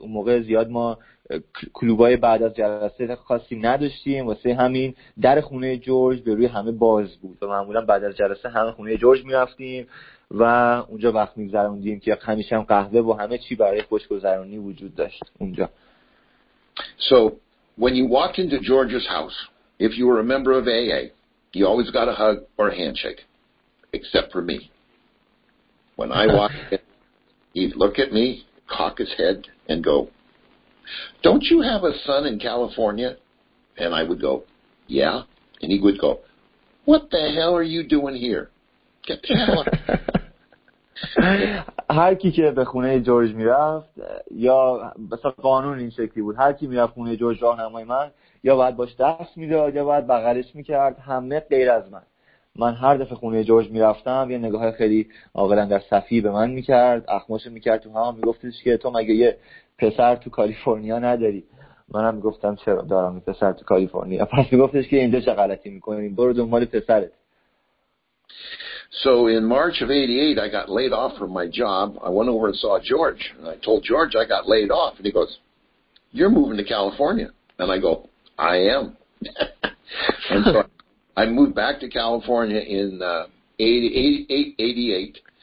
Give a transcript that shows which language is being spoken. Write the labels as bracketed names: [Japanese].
[Persian] اون موقع زیاد ما کلوبای بعد از جلسه خاصی نداشتیم، واسه همین در خونه جورج به روی همه باز بود و معمولا بعد از جلسه همه خونه جورج میرفتیم و اونجا وقت میگذروندیم که همیشه هم قهوه و همه چی برای خوشگذرانی وجود داشت اونجا. [English] So when you walked into George's house, if you were a member of AA, you always got a hug or a handshake, except for me. When I walked in, he'd look at me, cock his head and go, "Don't you have a son in California?" And I would go, "Yeah." And he would go, "What the hell are you doing here? Get the hell out." [Persian] هر کی که به خونه جورج میرفت، یا مثلا قانون این شکلی بود، هر کی میرفت خونه جورج راهنمای من، یا باید باش دست میداد یا باید بغلش میکرد، همه غیر از من. من هر دفعه خونه جورج میرفتم یه نگاه خیلی عاقلانه صفی به من میکرد، اخماشو میکرد تو هم، میگفتش که تو مگه یه پسر تو کالیفرنیا نداری؟ منم گفتم چرا دارم پسر تو کالیفرنیا. پس میگفتش که اینجا چه غلطی میکنی، برو دنبال پسرت. [English] So in March of 88 I got laid off from my job. I went over and saw George and I told George I got laid off, and he goes, "You're moving to California." And I go, "I am." And so I moved back to California in 88.